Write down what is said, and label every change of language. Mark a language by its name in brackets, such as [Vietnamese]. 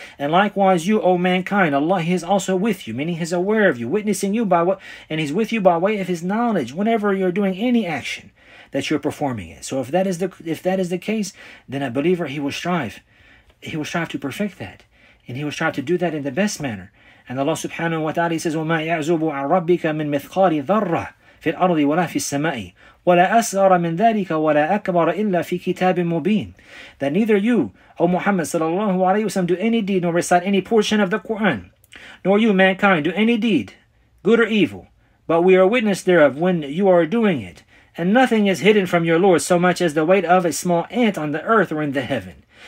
[English] And likewise, you, O mankind, Allah, he is also with you, meaning he's aware of you, witnessing you by what, and he's with you by way of his knowledge whenever you're doing any action that you're performing it. So if that is the case, then a believer, he will strive to perfect that, and he will strive to do that in the best manner. And Allah subhanahu wa ta'ala says, [Arabic] وَمَا يَعْزُبُ عَنْ رَبِّكَ مِنْ مِثْقَالِ ذَرَّةٍ فِي الْأَرْضِ وَلَا فِي السَّمَاءِ وَلَا أَصْغَرَ مِنْ ذَلِكَ وَلَا أَكْبَرَ إِلَّا فِي كِتَابٍ مُبِينٍ. [English] That neither you, O Muhammad sallallahu alayhi wa sallam, do any deed nor recite any portion of the Quran, nor you, mankind, do any deed, good or evil, but we are witness thereof when you are doing it. And nothing is hidden from your Lord so much as the weight of a small ant on the earth or in the heaven.